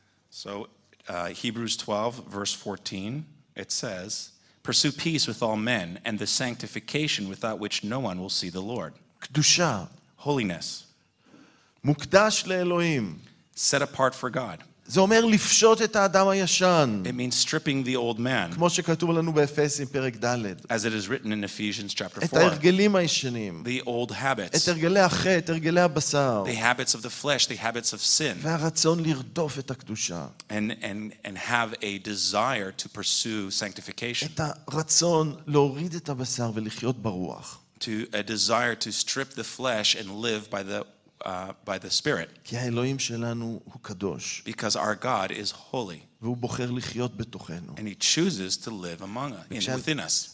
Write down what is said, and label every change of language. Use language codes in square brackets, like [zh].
[en] So, Hebrews 12, verse 14, it says, pursue peace with all men and the sanctification without which no one will see the Lord. [he] קדושה. [en] Holiness. [he] מוקדש לאלוהים. [en] Set apart for God. [he] זה אומר לפשוט את האדם הישן. [en] It means stripping the old man. [he] כמו שכתוב לנו באפסים פרק ד'. [en] As it is written in Ephesians chapter 4. [he] את הרגלים הישנים. [en] The old habits. [he] את הרגלי החטא, הרגלי הבשר. [en] The habits of the flesh, the habits of sin. [he] והרצון לרדוף את הקדושה. [en] And have a desire to pursue sanctification. [he] את הרצון להוריד את הבשר ולחיות ברוח. [en] To a desire to strip the flesh and live by the by the spirit. [he] כי האלוהים שלנו הוא קדוש. [en] Because our God is holy. [he] והוא בוחר לחיות בתוכנו. [en] And he chooses to live among us, within us.